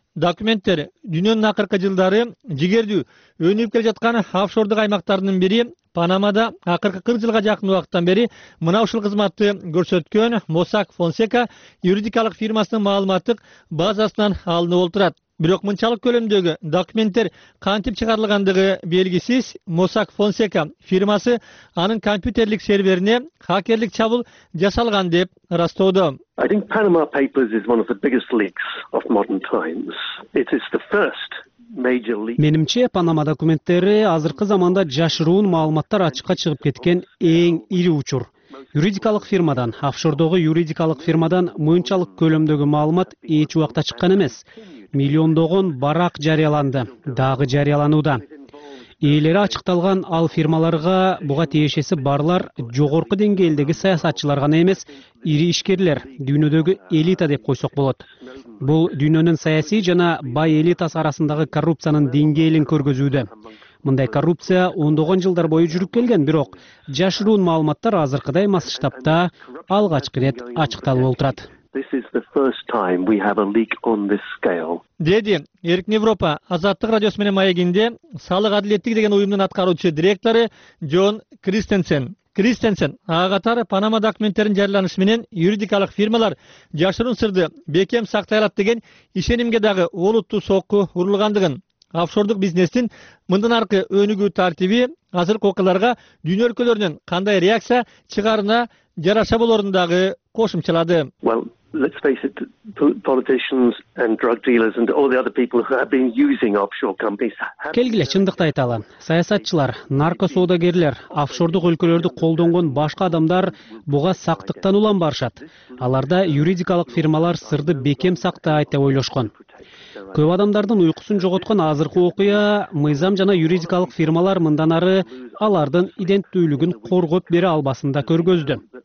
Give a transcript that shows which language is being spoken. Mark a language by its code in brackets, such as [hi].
[ky] Документтер дүйнөнүн акыркы жылдары жигердүү өнүп келе жаткан офшордук аймактарынын бири Панамада акыркы 40 жылга жакын убакыттан бери мына ушул кызматты көрсөткөн Mossack Fonseca юридикалык фирмасынын маалыматтык базасынан алынып олтурат. Бирок мынчалык көлөмдөгү документтер кантип чыгарылгандыгы белгисиз. Mossack Fonseca фирмасы анын компьютерлик серверине хакерлик чабуул жасалган деп ырастоодо. [en] I think Panama Papers is one of the biggest leaks of modern times. It is the first major leak. [ky] Менимче, Панама документтери азыркы заманда жашыруун маалыматтар ачыкка чыгып кеткен эң ири учур. Юридикалык фирмадан, офшордогу юридикалык фирмадан мынчалык көлөмдөгү маалымат эч убакта чыккан эмес. Миллиондогон барак жарыяланды, дагы жарыялануда. Ээлери ачыкталган ал фирмаларга буга тиешеси барлар жогорку деңгээлдеги саясатчылар гана эмес, ири ишкерлер, дүйнөдөгү элита деп койсок болот. Бул дүйнөнүн саясий жана бай элитасы арасындагы коррупциянын деңгээлин көргөзүүдө. Мындай коррупция ондогон жылдар бою жүрүп келген, бирок жашыруун маалыматтар азыркыдай масштабта алгачкы ирет ачыкталып отурат. [en] This is the first time we have a leak on this scale. [ky] Деди Эркин Европа Азаттык радиосу менен маегинде салык адилеттиги деген уюмдун аткаруучу директору Джон Кристенсен. Кристенсен ага катары Панама документтеринин жарыяланышы менен юридикалык фирмалар жашыруун сырды бекем сактай алат деген ишенимге дагы олуттуу сокку урулгандыгын, офшордук бизнестин мындан аркы өнүгүү тартиби азыркы окуяларга дүйнө өлкөлөрүнөн кандай реакция чыгарына жараша болорун дагы кошумчалады. [en] Well, let's face it, politicians and drug dealers and all the other people who have been using offshore companies. [ky] Келгиле чындыкты айталы. Саясатчылар, наркосоодагерлер, офшордук өлкөлөрдү колдонгон башка адамдар буга сактыктан улам барышат. Аларда юридикалык фирмалар сырды бекем сактайт деп ойлошкон. Көп адамдардын уйкусун жоготкон азыркы окуя мыйзам жана юридикалык фирмалар мындан ары алардын иденттүүлүгүн коргоп бере албасында көргөздү.